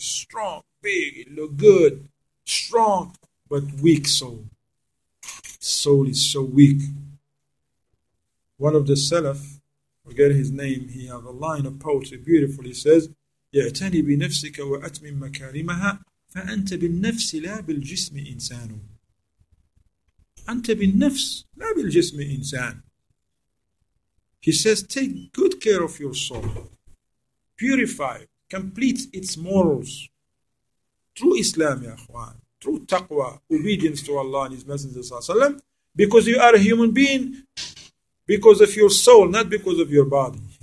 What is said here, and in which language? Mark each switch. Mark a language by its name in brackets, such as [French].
[English] It's strong, big, it look good, strong, but weak soul. Soul is so weak. One of the Salaf, forget his name, he has a line of poetry, beautifully says, [Arabic] يَعْتَنِي بِنَفْسِكَ وَأَتْمِمْ مَكَارِمَهَا فَأَنْتَ بِالنَّفْسِ لَا بِالْجِسْمِ إِنسَانُ. أنت بالنفس لا بالجسم إنسان. [English] He says, take good care of your soul. Purify, complete its morals. True Islam, ya akhwan. True taqwa, obedience to Allah and His Messenger, sallallahu alayhi wa sallam. Because you are a human being, because of your soul, not because of your body.